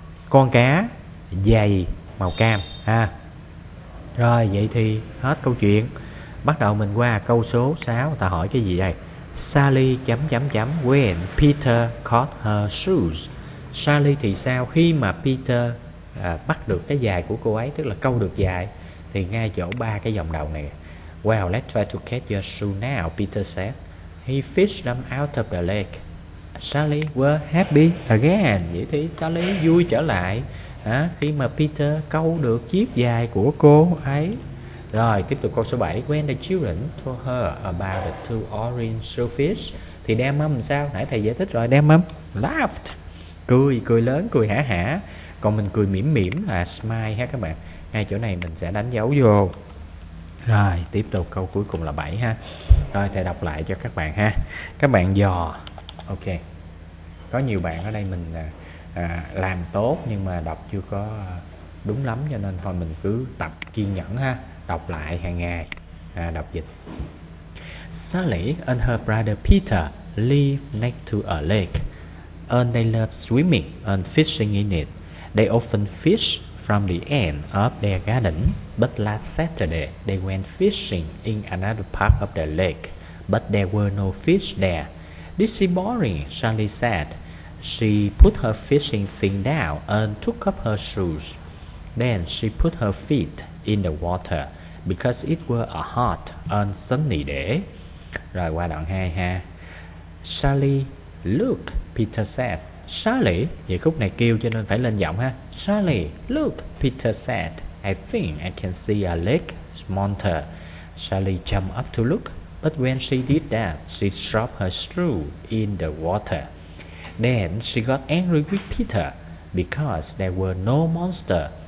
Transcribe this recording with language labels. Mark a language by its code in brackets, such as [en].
[vi] Con cá dài màu cam ha. Rồi vậy thì hết câu chuyện. Bắt đầu mình qua câu số 6, ta hỏi cái gì đây? Sally chấm chấm chấm [en] when Peter caught her shoes. [vi] Sally thì sao khi mà Peter bắt được cái giày của cô ấy, tức là câu được giày, thì ngay chỗ ba cái dòng đầu này. [en] Well, let's try to catch your shoe now, Peter said. He fished them out of the lake. Sally were happy again. [vi] Vậy thì Sally vui trở lại khi mà Peter câu được chiếc giày của cô ấy. Rồi tiếp tục câu số 7. [en] When the children told her about the two orange shellfish, [vi] thì đem mâm sao? Nãy thầy giải thích rồi, đem mâm laughed, cười, cười lớn, cười hả hả. Còn mình cười mỉm mỉm là smile ha các bạn. Ngay chỗ này mình sẽ đánh dấu vô. Rồi tiếp tục câu cuối cùng là 7 ha. Rồi thầy đọc lại cho các bạn ha. Các bạn dò. Ok. Có nhiều bạn ở đây mình làm tốt nhưng mà đọc chưa có đúng lắm, cho nên thôi mình cứ tập kiên nhẫn ha. Đọc lại hàng ngày, đọc dịch. [en] Sally and her brother Peter live next to a lake. And they love swimming and fishing in it. They often fish from the end of their garden. But last Saturday, they went fishing in another part of the lake. But there were no fish there. This is boring, Sally said. She put her fishing fin down and took off her shoes. Then she put her feet in the water because it was a hot and sunny day. [vi] Rồi qua đoạn 2 ha. [en] Sally, look, Peter said. [vi] Sally, vậy khúc này kêu cho nên phải lên giọng ha. [en] Sally, look, Peter said. I think I can see a lake monster. Sally jumped up to look, but when she did that, she dropped her shoe in the water. Then she got angry with Peter because there were no monster.